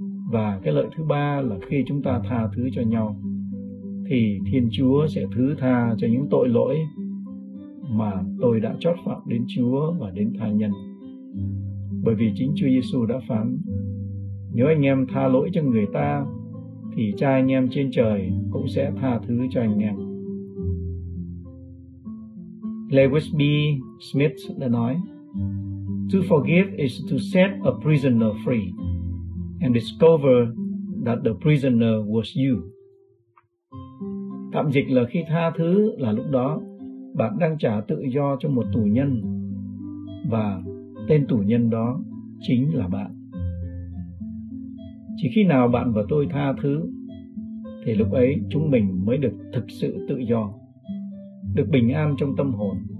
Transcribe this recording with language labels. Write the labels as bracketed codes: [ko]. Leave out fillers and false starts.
[vi] Và cái lợi thứ ba là khi chúng ta tha thứ cho nhau, thì Thiên Chúa sẽ thứ tha cho những tội lỗi mà tôi đã trót phạm đến Chúa và đến tha nhân. Bởi vì chính Chúa Giêsu đã phán, nếu anh em tha lỗi cho người ta, thì cha anh em trên trời cũng sẽ tha thứ cho anh em. Lewis B. [en] Smith [vi] đã nói, [en] to forgive is to set a prisoner free and discover that the prisoner was you. [vi] Tạm dịch là khi tha thứ là lúc đó bạn đang trả tự do cho một tù nhân và tên tù nhân đó chính là bạn. Chỉ khi nào bạn và tôi tha thứ thì lúc ấy chúng mình mới được thực sự tự do, được bình an trong tâm hồn.